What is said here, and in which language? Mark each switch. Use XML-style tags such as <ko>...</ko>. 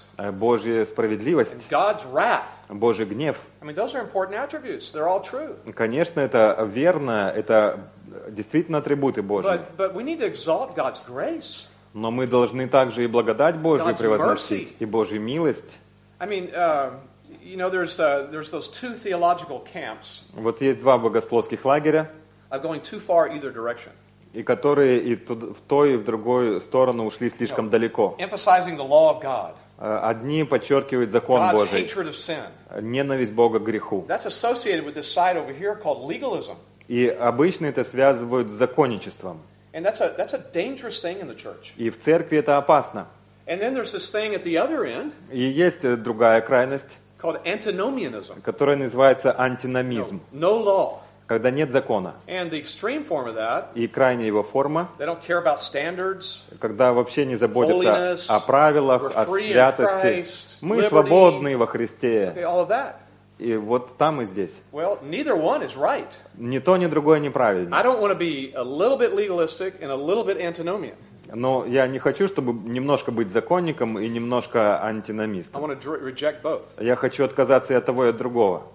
<ru>Божья справедливость. Божий гнев.</ru> <en>I mean, those are important attributes. They're all true.</en> <ru>Конечно, это верно, это действительно атрибуты Божьи.</ru> <en>But we need to exalt God's grace.</en> <ru>Но мы должны также и благодать Божью превозносить, и Божью милость.</ru> <en>I mean, you know, there's those two theological camps.</en> <ru>Вот есть два богословских лагеря.</ru> <en>I'm going too far either direction.</en> <ru>И которые и тут, в той и в другую сторону ушли слишком далеко.</ru> <en>Emphasizing the law of God.</en> <ru>Одни подчеркивают закон Божий. Ненависть Бога к греху.</ru> <en>That's associated with this side over here called legalism.</en> <ru>И обычно это связывают с законничеством.</ru> <en>And that's a dangerous thing in the church.</en> <ru>И в церкви это опасно.</ru> <en>And then there's this thing at the other end.</en> <ru>И есть другая крайность.</ru> <en>Called antinomianism.</en> <ru>Которая называется антиномизм.</ru> <en>No law.</en> <ru>Когда нет закона.</ru> <en>And the extreme form of that.</en> <ru>И крайняя его форма.</ru> <en>They don't care about standards.</en> <ru>Когда вообще не заботятся</ru> <en>holiness,</en> <ru>о правилах, о святости.</ru> <en>Christ,</en> <ru>мы</ru> <en>liberty,</en> <ru>свободны во Христе.</ru> <en>Okay, all of that.</en> <ru>И вот там и здесь.</ru> <en>Well, neither one is right.</en> <ru>Ни то, ни другое неправильно.</ru> <en>I don't want to be a little bit legalistic and a little bit antinomian.</en> <ru>Но я не хочу, чтобы немножко быть законником и немножко антиномистом. Я хочу отказаться и от того, и от другого.</ru>